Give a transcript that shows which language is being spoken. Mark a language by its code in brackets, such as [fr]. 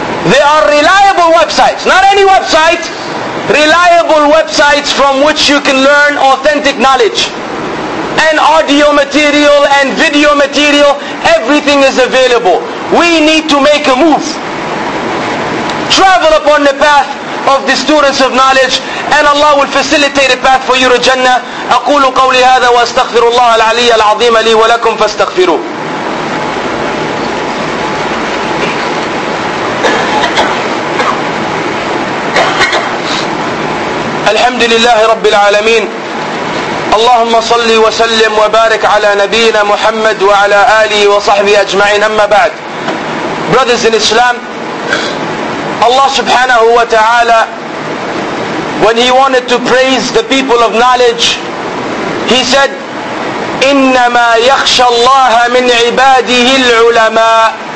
[en] They are reliable websites. Not any website. Reliable websites from which you can learn authentic knowledge. And audio material and video material, everything is available. We need to make a move. Travel upon the path of the students of knowledge, and Allah will facilitate a path for you to Jannah. [ar] أقول قولي هذا واستغفر الله العلي العظيم لي ولكم فاستغفروا. الحمد لله رب العالمين. اللهم صل وسلم وبارك على نبينا محمد وعلى آله وصحبه أجمعين. أما بعد, [en] brothers in Islam, Allah subhanahu wa ta'ala, when He wanted to praise the people of knowledge, He said, [ar] إِنَّمَا يَخْشَى اللَّهَ مِنْ عِبَادِهِ الْعُلَمَاءِ.